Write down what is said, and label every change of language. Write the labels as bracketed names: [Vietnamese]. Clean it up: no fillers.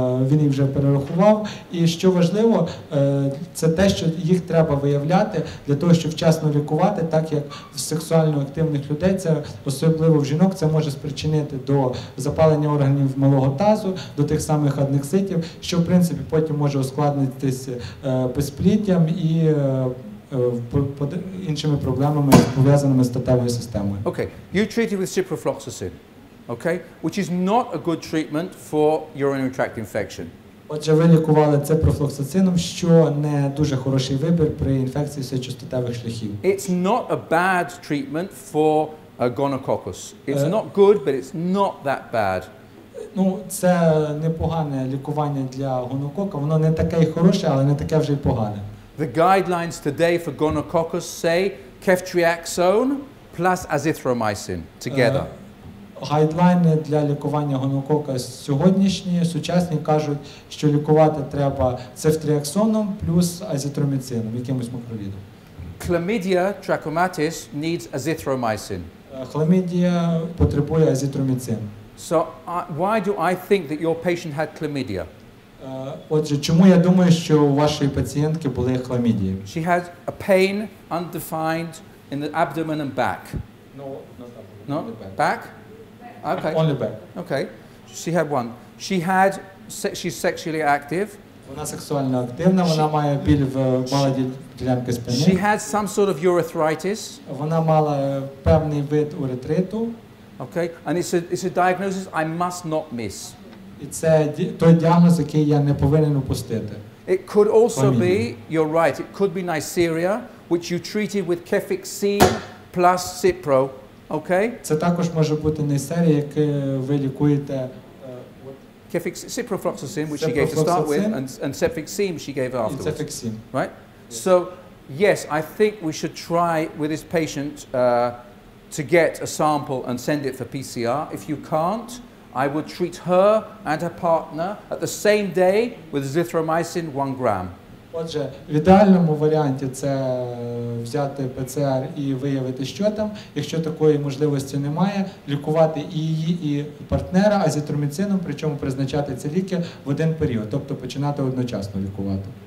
[Ukrainian] Він їх вже перерахував. І що важливо, це те, що їх треба виявляти для того, щоб вчасно лікувати, так як в сексуально активних людей, це особливо в жінок, це може спричинити до запалення органів малого тазу, до тих самих аднекситів, що в принципі потім може ускладнитись безпліддям і по іншими проблемами, пов'язаними з статевою системою. [English] Okay, you treated with ciprofloxacin, okay, which is not a good treatment for urinary tract infection. [Ukrainian] Отже, ви лікували ciprofloxacinом, що не дуже хороший вибір при інфекції сечостатевих шляхів. [English] It's not a bad treatment for a gonococcus. It's not good, but it's not that bad. [Ukrainian] Це непогане лікування для гонокока. Воно не таке й хороше, але не таке вже й погане. [English] The guidelines today for gonococcus say ceftriaxone plus azithromycin together. [Ukrainian] Гайдлайни для лікування гонокока сьогоднішні, сучасні, кажуть, що лікувати треба цефтріаксоном плюс азітроміцином, якимось макровідом. [English] Chlamydia trachomatis needs azithromycin. [Ukrainian] Хламідія потребує азітроміцин. [English] So why do I think that your patient had chlamydia? [Ukrainian] Отже, чому я думаю, що у вашої пацієнтки були хламідії? [English] She had a pain undefined in the abdomen and back. No, not abdomen. No? Back? Okay. Only back. Okay. She had one. She's sexually active. [Ukrainian] Вона сексуально активна, вона має біль в малій ділянці спини. [English] She had some sort of urethritis. [Ukrainian] Вона мала певний вид уретриту. [English] Okay. And it's a diagnosis I must not miss. [Ukrainian] І це той діагноз, який я не повинен упустити. [English] It could also be, you're right, it could be Neisseria, which you treated with cefixime plus cipro, okay? [Ukrainian] Це також може бути Neisseria, яке ви лікуєте [English] ciprofloxacin, which she gave to start with, and cefixime she gave afterwards. Cefixime. Right? Yes. So, Yes, I think we should try with this patient to get a sample and send it for PCR. If you can't, I would treat her and her partner at the same day with azithromycin 1 gram. [Ukrainian] Отже, в ідеальному варіанті це взяти ПЦР і виявити, що там. Якщо такої можливості немає, лікувати і її, і партнера азітроміцином, причому призначати ці ліки в один період, тобто починати одночасно лікувати.